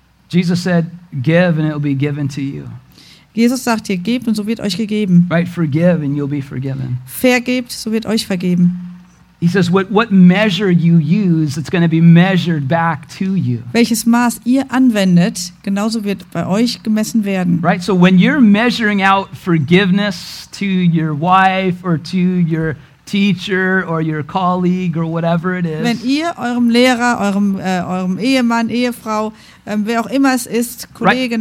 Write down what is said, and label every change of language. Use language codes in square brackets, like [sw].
[en] Jesus said, give and it will be given to you. [de] Jesus sagt hier, gebt und so wird euch gegeben. [en] Right, forgive and you'll be forgiven. [de] Vergebt, so wird euch vergeben. [en] He says, what measure you use, it's going to be measured back to you. [de] Welches Maß ihr anwendet, genauso wird bei euch gemessen werden. [en] Right, so when you're measuring out forgiveness to your wife or to your teacher or your colleague or whatever it is. [de] Wenn ihr eurem Lehrer, eurem Ehemann, Ehefrau, wer auch immer es ist, Kollege, right.